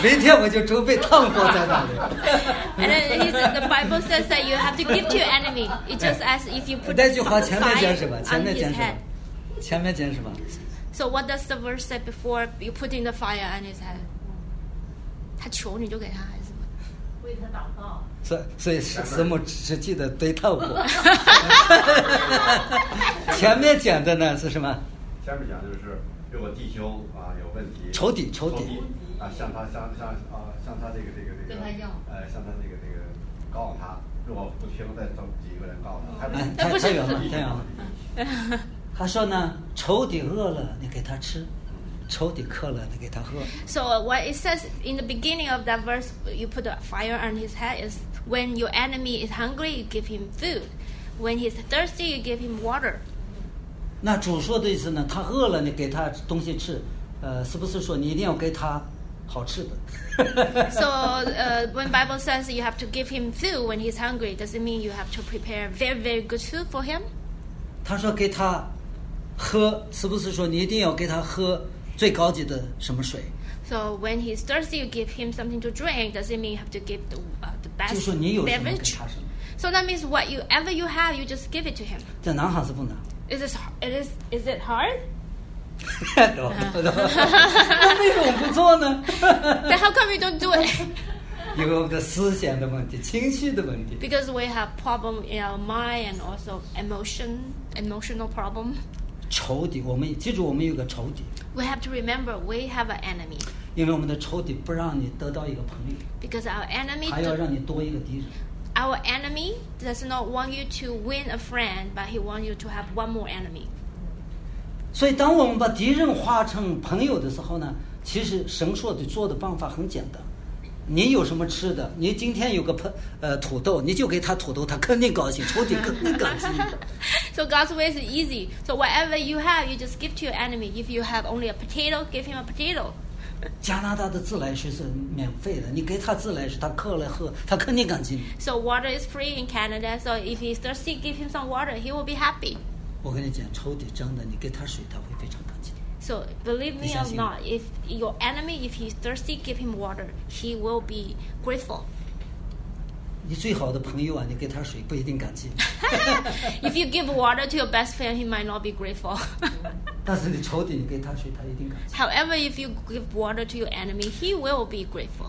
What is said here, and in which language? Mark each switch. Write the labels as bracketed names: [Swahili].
[Chinese] 明天我就准备炭火在那里。 [English] And then the Bible says that you have to give to your enemy. It's just as if you put. [Chinese] 那句话前面讲什么？前面讲什么？前面讲什么 [English] ？So what does the verse say before you put in the fire on his head? [Chinese] 他求你就给他。为他祷告，所以什么只记得堆炭火。前面讲的呢是什么？前面讲就是如果弟兄啊有问题，仇敌啊，向他这个跟他要，向他这个告诉他，如果不听，再找几个人告诉他。太远了。他说呢，仇敌饿了，你给他吃。仇敌渴了，你给他喝。 [English] So what it says in the beginning of that verse, you put a fire on his head is when your enemy is hungry, you give him food. When he's thirsty, you give him water. [Chinese] 那主说的意思呢？他饿了，你给他东西吃，是不是说你一定要给他好吃的？ [English] So when Bible says you have to give him food when he's hungry, does it mean you have to prepare very very good food for him? [Chinese] 他说给他喝，是不是说你一定要给他喝？最高级的什么水 [English] ？So when he's thirsty, you give him something to drink. Does it mean you have to give the best beverage? So that means whatever you have, you just give it to him. [Chinese] 这难还是不难 [English] Is it hard? No. [Chinese] 那为什么不做呢 [English] ？Then how come you don't do it? [Chinese] 因为我们的思想的问题，情绪的问题。 [English] Because we have problem in our mind and also emotional problem. [Chinese] 仇敌，我们记住，我们有个仇敌。 [English] We have to remember we have an enemy. [Chinese] 因为我们的仇敌不让你得到一个朋友。 [English] Because our enemy [Chinese] 还要让你多一个敌人。 [English] Our enemy does not want you to win a friend, but he wants you to have one more enemy. [Chinese] 所以，当我们把敌人化成朋友的时候呢，其实神说的做的方法很简单。你有什么吃的？你今天有个土豆，你就给他土豆，他肯定高兴，仇敌肯定高兴。 [English] So God's way is easy. So whatever you have, you just give to your enemy. If you have only a potato, give him a potato. [Chinese] 加拿大的自来水是免费的，你给他自来水，他渴了喝，他肯定感激你。 [English] So water is free in Canada. So if he's thirsty, give him some water. He will be happy. [Chinese] 我跟你讲，仇敌真的，你给他水，他会非常感激的。 [English] So believe me or not, if your enemy, if he's thirsty, give him water, he will be grateful. [Chinese] 你最好的朋友啊，你给他水不一定感激。 [English] If you give water to your best friend, he might not be grateful. [Chinese] 但是你仇敌，你给他水，他一定感激。 [English] However, if you give water to your enemy, he will be grateful.